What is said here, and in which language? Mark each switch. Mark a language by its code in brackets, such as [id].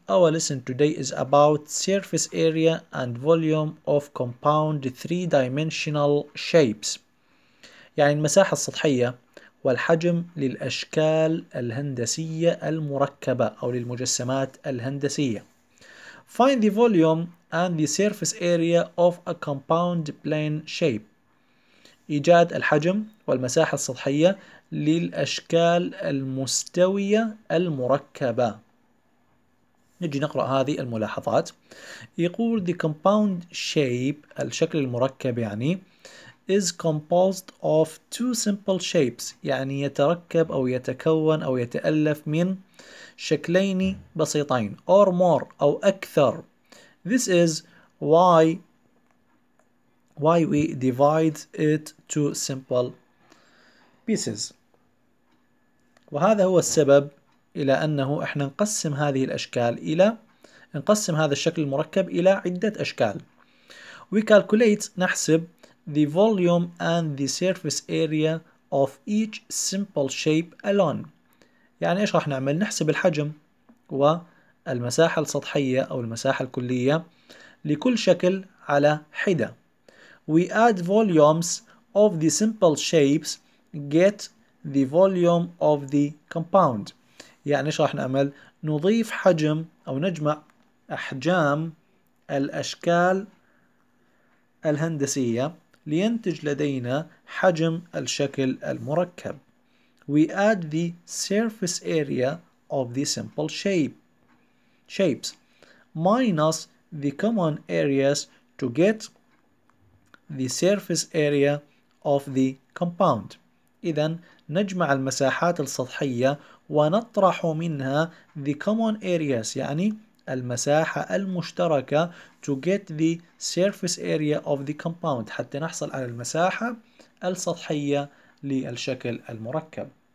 [en] Our lesson today is about surface area and volume of compound three-dimensional shapes. [ar] يعني المساحة السطحية والحجم للأشكال الهندسية المركبة أو للمجسمات الهندسية. [en] Find the volume and the surface area of a compound plane shape. [ar] إيجاد الحجم والمساحة السطحية للأشكال المستوية المركبة. نجي نقرأ هذه الملاحظات. يقول [en] the compound shape، [ar] الشكل المركب يعني، [en] is composed of two simple shapes، [ar] يعني يتركب أو يتكون أو يتألف من شكلين بسيطين [en] or more [ar] أو أكثر. [en] This is why we divide it to simple pieces. [ar] وهذا هو السبب إلى أنه إحنا نقسم هذه الأشكال إلى نقسم هذا الشكل المركب إلى عدة أشكال. [en] We calculate [ar] نحسب [en] the volume and the surface area of each simple shape alone. [ar] يعني إيش راح نعمل؟ نحسب الحجم والمساحة السطحية أو المساحة الكلية لكل شكل على حدة. [en] We add volumes of the simple shapes get the volume of the compound. [ar] يعني إيش راح نعمل؟ نضيف حجم أو نجمع أحجام الأشكال الهندسية لينتج لدينا حجم الشكل المركب. [en] We add the surface area of the simple shapes minus the common areas to get the surface area of the compound. [ar] إذن نجمع المساحات السطحية ونطرح منها [en] the common areas، [ar] يعني المساحة المشتركة، [en] to get the surface area of the compound، [ar] حتى نحصل على المساحة السطحية للشكل المركب.